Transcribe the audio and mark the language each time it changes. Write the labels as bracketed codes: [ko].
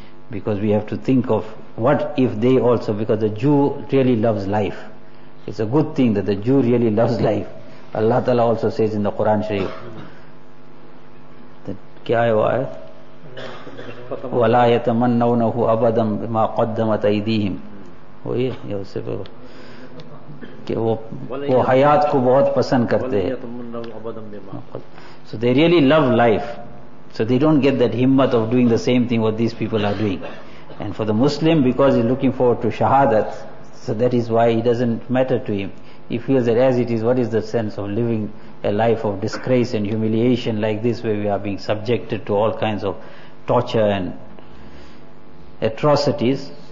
[en] Because we have to think of what if they also, because the Jew really loves life. It's a good thing that the Jew really loves life. Allah Ta'ala also says in the Quran Sharif, [ur] kya hai waayat? [ar] وَلَا يَتَمَنَّوْنَهُ أَبَدًا بِمَا قَدَّمَتْ أَيْدِيهِمْ. [ur] وہی ہے اس سے پہلے کہ وہ حیات کو بہت پسند کرتے ہیں. [en] So they really love life. So they don't get that himmat of doing the same thing what these people are doing. And for the Muslim, because he's looking forward to shahadat, so that is why it doesn't matter to him. He feels that as it is, what is the sense of living a life of disgrace and humiliation like this, where we are being subjected to all kinds of torture and atrocities.